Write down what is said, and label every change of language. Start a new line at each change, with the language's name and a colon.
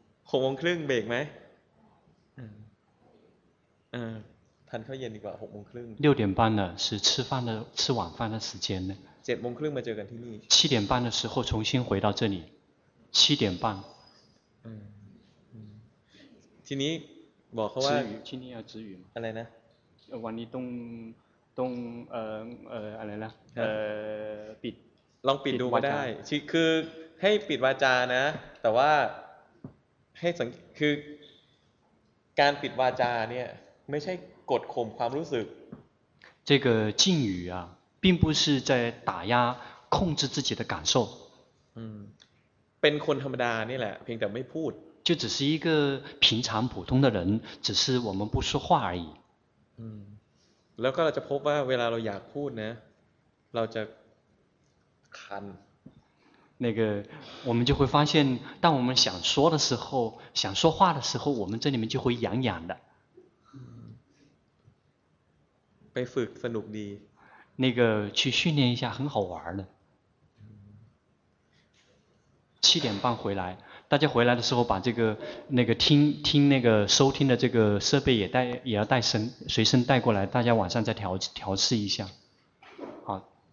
Thai: หกโมงครึ่งเบรกไหมทันเข้าเย็นดีกว่าหกโมงครึ่ง
Chinese: 六点半呢是吃饭的吃晚饭的时间呢
Thai: เจ็ดโมงครึ่งมาเจอกันที่นี่
Chinese: 七点半的时候重新回到这里七点半
Thai: ทีนี้บอกเขาว่า ที่นี่เอาจื้ออยู่ อะไรนะ วันนี้ต้องอะไรนะปิด ลองปิดดูก็ได้คือให้ปิดวาจานะแต่ว่าให้สังคือการปิดวาจาเนี่ยไม่ใช่กดข่มความรู้สึก
Chinese: 这个禁语啊并不是在打压控制自己的感受
Thai: เป็นคนธรรมดานี่แหละเพียงแต่ไม่พูด
Chinese: 就只是一个平常普通的人只是我们不说话而已
Thai: แล้วก็เราจะพบว่าเวลาเราอยากพูดนะเราจะคัน
Chinese: 那个我们就会发现当我们想说的时候想说话的时候我们这里面就会痒痒的
Thai: ไปฝึกสนุกดี
Chinese: 那个去训练一下很好玩的七点半回来大家回来的时候把这个那个听那个收听的这个设备也要随身带过来大家晚上再调试一下好